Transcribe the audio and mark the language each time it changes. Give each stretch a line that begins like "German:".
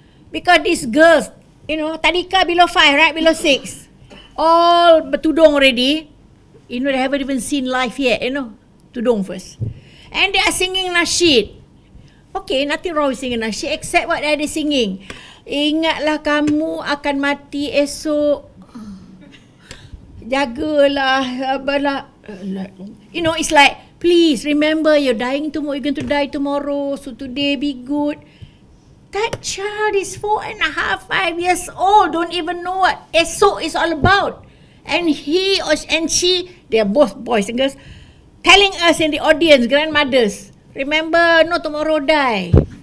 English: Because these girls, you know, tarika below 5, right? Below 6. All bertudung already. You know, they haven't even seen life yet, you know. Tudung first. And they are singing nasheed. Okay, nothing wrong with singing nasheed except what they are singing.
Malay: Ingatlah kamu akan mati esok. Jagalah. Abalah.
English: You know, it's like, please remember you're dying tomorrow. You're going to die tomorrow. So today be good. That child is 4.5, 5 years old. Don't even know what esok is all about. And he or she, and she, they are both boys and girls, telling us in the audience, grandmothers, remember, no tomorrow die.